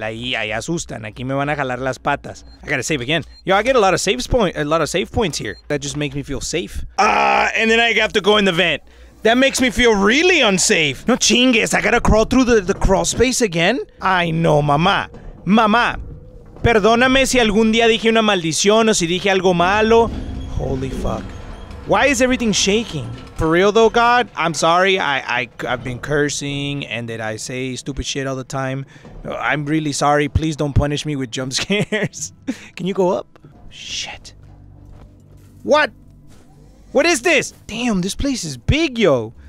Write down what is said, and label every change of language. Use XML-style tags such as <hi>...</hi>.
<es>Ahí asustan. Aquí me van a jalar las patas.</es> <en>I gotta save again. Yo, I get a lot of save points here. That just makes me feel safe. And then I have to go in the vent. That makes me feel really unsafe.</en> <es>No chingues.</es> <en>I gotta crawl through the crawl space again?</en> <es>Ay, no, mamá. Mamá. Perdóname si algún día dije una maldición o si dije algo malo.</es> <en>Holy fuck. Why is everything shaking? For real though, God, I'm sorry. I've been cursing and that I say stupid shit all the time. I'm really sorry. Please don't punish me with jump scares. Can you go up? Shit. What? What is this? Damn, this place is big, yo.</en>